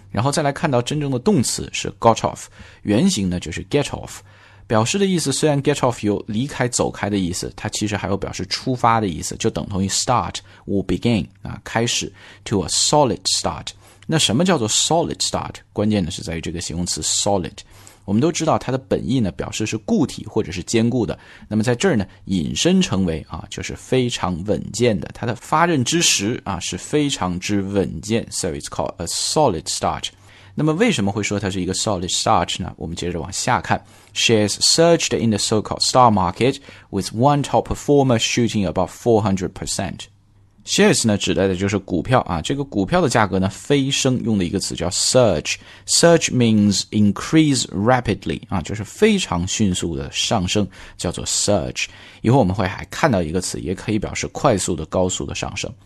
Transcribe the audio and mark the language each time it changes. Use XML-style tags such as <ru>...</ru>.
<zh>然后再来看到真正的动词是 got off, 原型呢就是 get off, 表示的意思虽然 get off 有离开走开的意思，它其实还有表示出发的意思，就等同于</zh> <en>start or begin,</en> <zh>啊，开始</zh> <en>to a solid start。</en> <zh>那什么叫做 solid start? 关键呢是在于这个形容词 solid。我们都知道它的本意呢表示是固体或者是坚固的。那么在这儿呢引申成为啊就是非常稳健的。它的发轫之时啊是非常之稳健。</zh> <en>So it's called a solid start.</en> <zh>那么为什么会说它是一个 solid start 呢？我们接着往下看。</zh> <en>Shares surged in the so-called stock market with one top performer shooting above 400%.</en> <zh>Shares 呢指代的就是股票啊，这个股票的价格呢飞升，用的一个词叫 surge。</zh> <en>Surge means increase rapidly</en> <zh>啊，就是非常迅速的上升，叫做 surge。以后我们会还看到一个词，也可以表示快速的、高速的上升。</zh>